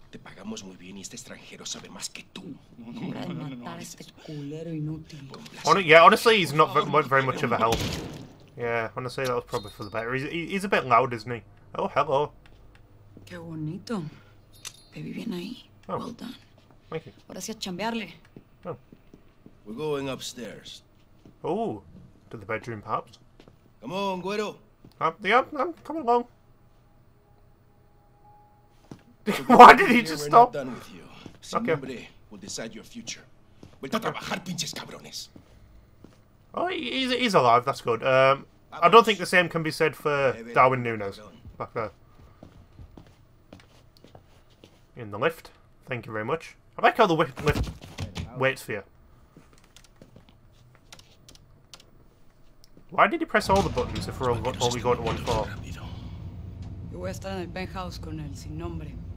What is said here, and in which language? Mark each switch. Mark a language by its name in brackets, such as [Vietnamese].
[Spanish] Te pagamos muy bien y este extranjero sabe más que tú. No. [English] Yeah, honestly, he's not very much of a help. Yeah, honestly, that was probably for the better. He's a bit loud, isn't he? Oh, hello. [Spanish] Qué bonito. Te vi bien ahí. Oh. [English] Well done. Thank you. [Spanish] Ahora sí a chambearle. [English] We're going upstairs. Oh, to the bedroom, perhaps. Come on, Guero. I'm coming along. Why did he just we're stop? Not done with you. Okay. Somebody will decide your future. We'll okay. [Spanish] Trabajar, pinches cabrones. [English] Oh, he's alive. That's good. I don't think the same can be said for Darwin Nunes back there. In the lift. Thank you very much. I like how the lift waits for you. Why did you press all the buttons if we're only going to 1-4? [Spanish] Yo voy a estar en el penthouse con el sin nombre.